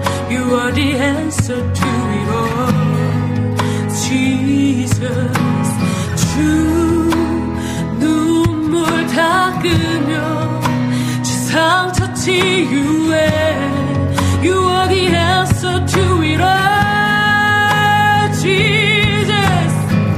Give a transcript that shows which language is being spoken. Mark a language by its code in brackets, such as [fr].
[en] You are the answer to it all, Jesus. [ko] 주 눈물 닦으며 주 상처 치유해. [en] You are the answer to it all, Jesus.